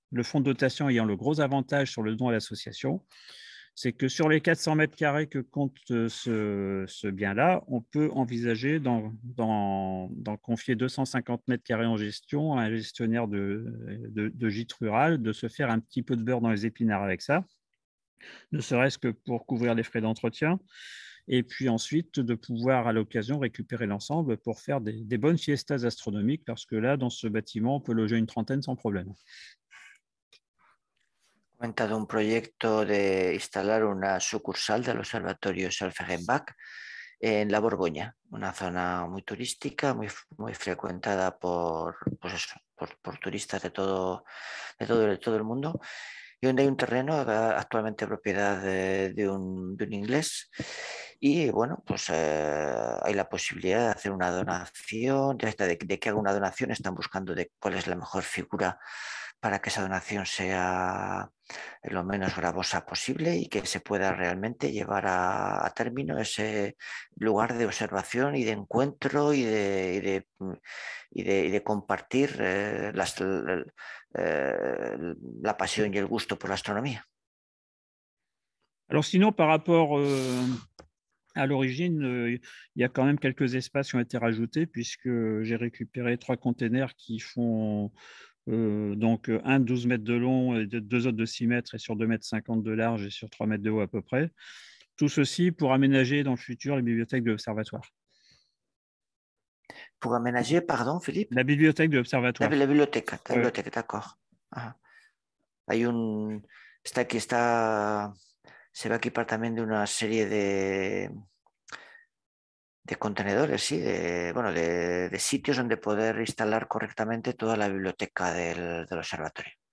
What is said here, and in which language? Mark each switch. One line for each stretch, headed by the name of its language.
French: Le fonds de dotation ayant le gros avantage sur le don à l'association, c'est que sur les 400 m² que compte ce bien-là, on peut envisager d'en confier 250 m² en gestion à un gestionnaire de gîte rural, de se faire un petit peu de beurre dans les épinards avec ça, ne serait-ce que pour couvrir les frais d'entretien, et puis ensuite de pouvoir à l'occasion récupérer l'ensemble pour faire des bonnes fiestas astronomiques, parce que là, dans ce bâtiment, on peut loger une trentaine sans problème.
Spanish: Comentado un proyecto de instalar una sucursal del Observatorio Salfagenbach en la Borgoña, una zona muy turística, muy, muy frecuentada por turistas de todo el mundo, y donde hay un terreno actualmente propiedad de un inglés. Y bueno, pues hay la posibilidad de hacer una donación, de que haga una donación. Están buscando de cuál es la mejor figura para que esa donación sea lo menos gravosa posible y que se pueda realmente llevar a término ese lugar de observación y de encuentro y de compartir la pasión y el gusto por la astronomía.
French: Alors sinon, par rapport à l'origine, il y a quand même quelques espaces qui ont été rajoutés, puisque j'ai récupéré 3 containers qui font donc un 12 mètres de long, et 2 autres de 6 mètres, et sur 2,50 mètres de large et sur 3 mètres de haut à peu près. Tout ceci pour aménager dans le futur les bibliothèques de l'Observatoire. Pour aménager, pardon, Philippe? La bibliothèque de l'Observatoire. La bibliothèque, d'accord.
Spanish: Ah. Hay un... Está aquí, está... Se va a equipar también de una serie de contenedores, sí, de sitios donde poder instalar correctamente toda la biblioteca del observatorio.